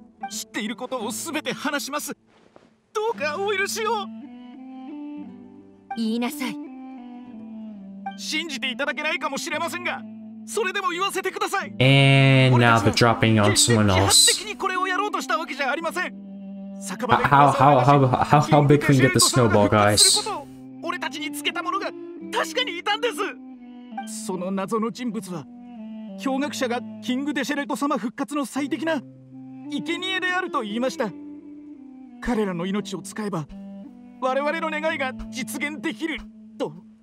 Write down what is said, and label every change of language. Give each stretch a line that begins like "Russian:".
Japanese: 知っていることを全て話します。どうかお許しを。言いなさい。信じていただけないかもしれませんが、それでも言わせてください。
English: And now the dropping on someone else.
Japanese: 決してこれをやろうとしたわけじゃありません。
English: How big can we get the snowball, guys?
Japanese: 俺たちにつけたものが確かにいたんです。その謎の人物は驚愕者がキングデシェレット様復活の最適な生贄であると言いました。彼らの命を使えば我々の願いが実現できると。